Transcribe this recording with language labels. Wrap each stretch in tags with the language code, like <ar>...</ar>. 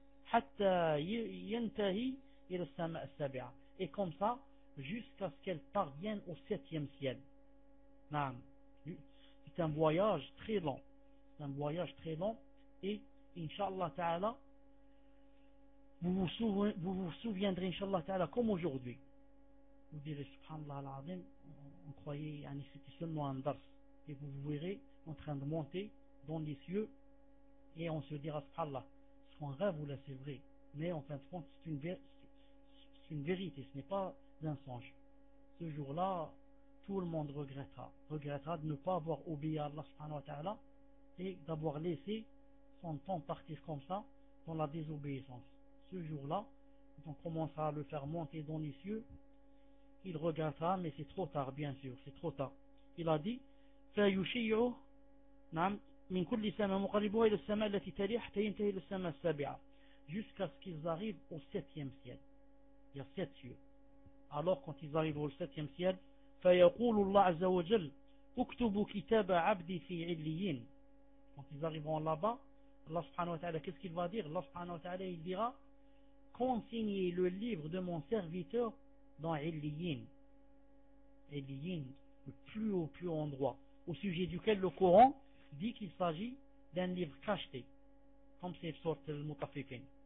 <ar>حتى ينتهي إلى السماء السابعة.</ar> <fr>Et comme ça, jusqu'à ce qu'elle parvienne au septième ciel. Naam. C'est un voyage très long. C'est un voyage très long. Et, Inch'Allah Ta'ala, vous vous souviendrez, Inch'Allah Ta'ala, comme aujourd'hui. Vous direz, Subhanallah Al-Azim, on croyait, yani, c'était seulement un dars. Et vous vous verrez en train de monter dans les cieux. Et on se dira, Subhanallah. Qu'on rêve ou là c'est vrai, mais en fin de compte c'est une vérité, ce n'est pas un songe. Ce jour-là, tout le monde regrettera de ne pas avoir obéi à Allah subhanahu wa ta'ala et d'avoir laissé son temps partir comme ça dans la désobéissance. Ce jour-là, quand on commencera à le faire monter dans les cieux, il regrettera, mais c'est trop tard, bien sûr, c'est trop tard. Il a dit</fr> <ar>فَيُشِيُّ نَعْمْ من كل سماء مقربوها إلى السماء التي تليها حتى ينتهي إلى السماء السابعة.</ar> <fr>Jusqu'à ce qu'ils arrivent au septième ciel. Il y a sept cieux. Alors quand ils arrivent au septième ciel,</fr> <ar>فيقول الله عز وجل اكتب كتاب عبدي في عليين.</ar> <fr>Quand ils arriveront là-bas, Allah subhanahu wa ta'ala, qu'est-ce qu'il va dire? Allah subhanahu wa ta'ala, il dira consignez le livre de mon serviteur dans عليين. عليين, le plus haut endroit, au sujet duquel le Coran dit qu'il s'agit d'un livre cacheté, comme c'est le sort de Mutafikin.</fr>